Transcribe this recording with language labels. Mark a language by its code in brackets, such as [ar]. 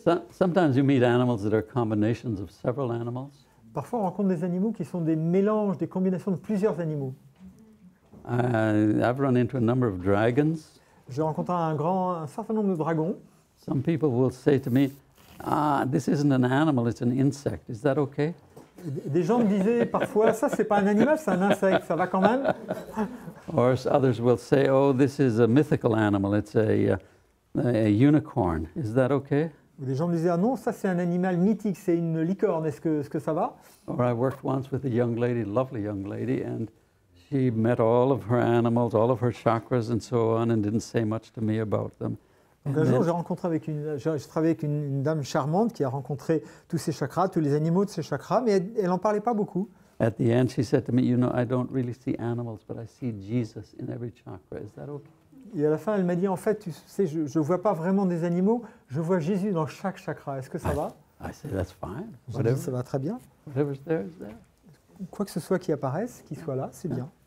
[en] Sometimes you meet animals that are combinations of several animals. [fr] Parfois, on rencontre des animaux qui sont des mélanges, des combinations de plusieurs animaux. [en] I've run into a number of dragons. [fr] J'ai rencontré un certain nombre de dragons. [en] Some people will say to me, "Ah, this isn't an animal; it's an insect. Is that okay?" [fr] Des gens me disaient parfois, "Ça, c'est pas un animal, c'est un insecte. Ça va quand même?" [en] Or others will say, "Oh, this is a mythical animal; it's a unicorn. Is that okay?" [fr] Ou des gens me disaient, ah non, ça c'est un animal mythique, c'est une licorne, est-ce que ça va? [en] Or I worked once with a young lady, lovely young lady, and she met all of her animals, all of her chakras and so on, and didn't say much to me about them. [fr] Donc un jour, j'ai travaillé avec une dame charmante qui a rencontré tous ses chakras, tous les animaux de ses chakras, mais elle n'en parlait pas beaucoup. [en] At the end, she said to me, you know, I don't really see animals, but I see Jesus in every chakra, is that okay? [fr] Et à la fin, elle m'a dit, en fait, tu sais, je ne vois pas vraiment des animaux, je vois Jésus dans chaque chakra. Est-ce que ça va? [en] I say, that's fine. [fr] Je dis, ça va très bien. [en] Whatever's there is there. [fr] Quoi que ce soit qui apparaisse, qui soit là, c'est bien.